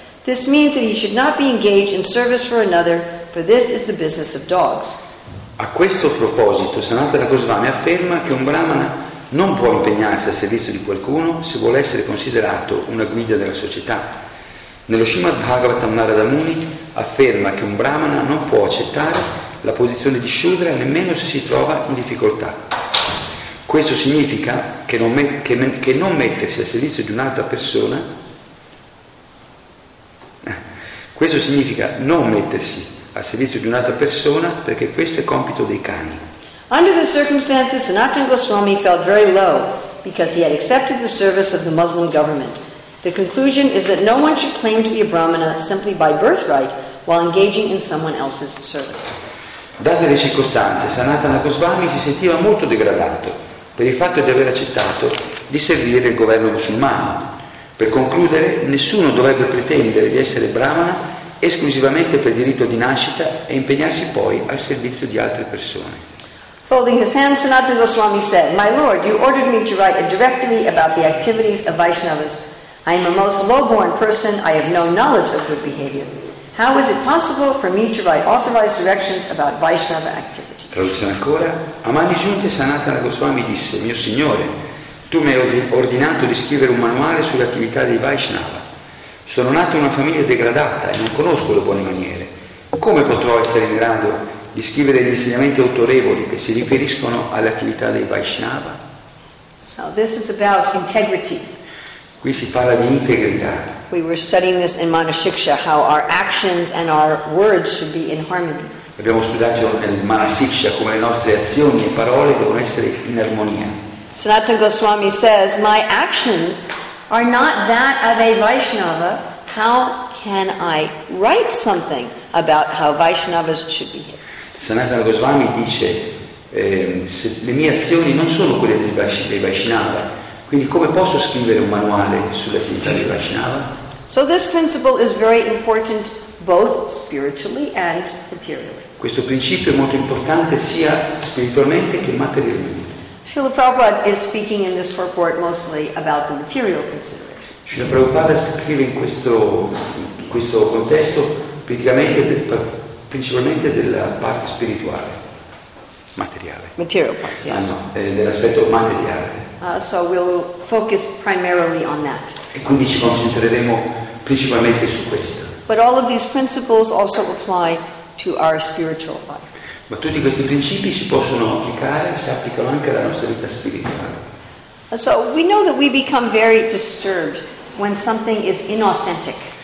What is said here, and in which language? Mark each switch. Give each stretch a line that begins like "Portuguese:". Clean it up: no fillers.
English: This means that he should not be engaged in service for another, for this is the business of dogs.
Italian: A questo proposito, Sanatana Goswami afferma che un brahmana non può impegnarsi al servizio di qualcuno se vuole essere considerato una guida della società. Nello Srimad Bhagavatam Narada Muni afferma che un brahmana non può accettare la posizione di shudra nemmeno se si trova in difficoltà. Questo significa che non mettersi al servizio di un'altra persona, questo significa non mettersi a servizio di un'altra persona, perché questo è compito dei cani.
English: Under the circumstances, Sanatana Goswami felt very low because he had accepted the service of the Muslim government. The conclusion is that no one should claim to be a brahmana simply by birthright while engaging in someone else's service.
Italian: Date le circostanze, Sanatana Goswami si sentiva molto degradato per il fatto di aver accettato di servire il governo musulmano. Per concludere, nessuno dovrebbe pretendere di essere brahmana esclusivamente per diritto di nascita e impegnarsi poi al servizio di altre persone.
English: Folding his hands, Sanatana Goswami said, "My Lord, you ordered me to write a directory about the activities of Vaishnavas. I am a most low-born person. I have no knowledge of good behavior. How is it possible for me to write authorized directions about Vaishnava activities?"
Italian: Traduzione ancora. Amani giunte, Sanatana Goswami disse, "Mio Signore, tu mi hai ordinato di scrivere un manuale sulle attività dei Vaishnava. Sono nato in una famiglia degradata e non conosco le buone maniere. Come potrò essere in grado di scrivere gli insegnamenti autorevoli che si riferiscono alle attività dei Vaishnava?"
English: So this is about integrity.
Italian: Qui si parla di integrità.
English: We were studying this in Manashiksha, how our actions and our words should be in harmony.
Italian: Abbiamo studiato nel Manashiksha come le nostre azioni e parole devono essere in armonia.
English: Sanatana Goswami says, "My actions are not that of a Vaishnava, how can I write something about how Vaishnavas should behave?"
Italian: Sanatana Goswami dice, se le mie azioni non sono quelle dei Vaishnava, Quindi come posso scrivere un manuale sull'attività di Vaishnava?
English: So this principle is very important both spiritually and materially.
Italian: Questo principio è molto importante sia spiritualmente che materialmente.
English: Srila Prabhupada is speaking in this purport mostly about the material considerations.
Italian: Srila Prabhupada scrive in questo contesto principalmente della parte spirituale, materiale.
English: Material part, yes.
Italian: Dell'aspetto materiale.
English: So we'll focus primarily on that.
Italian: E quindi ci concentreremo principalmente su questo.
English: But all of these principles also apply to our spiritual life.
Italian: Ma tutti questi principi si possono applicare, si applicano anche alla nostra vita spirituale.
English: So we know that we become very disturbed when something is inauthentic.